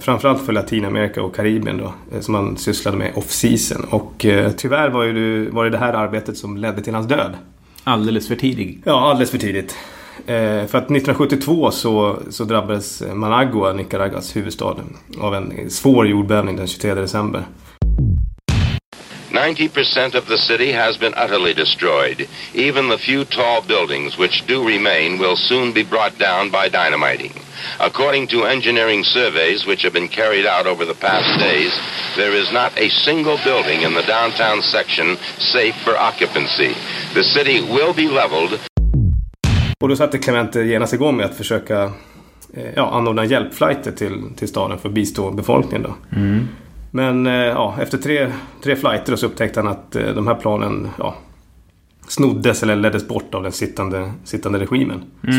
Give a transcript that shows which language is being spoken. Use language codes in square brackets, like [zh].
[sv] Framförallt för Latinamerika och Karibien då, som han sysslade med off-season. Och tyvärr var det här arbetet som ledde till hans död. Alldeles för tidigt. Ja, alldeles för tidigt. För att 1972 så drabbades Managua, Nicaraguas huvudstad, av en svår jordbävning den 23 december. [en] 90% of the city has been utterly destroyed. Even the few tall buildings which do remain will soon be brought down by dynamiting. According to engineering surveys which have been carried out over the past days, there is not a single building in the downtown section safe for occupancy. The city will be leveled. [sv] Och då satte Clemente genast igång med att försöka anordna hjälpflighter till staden för att bistå befolkningen. Då. Mm. Men efter tre flighter så upptäckte han att de här planen snoddes eller leddes bort av den sittande regimen. Mm-hmm.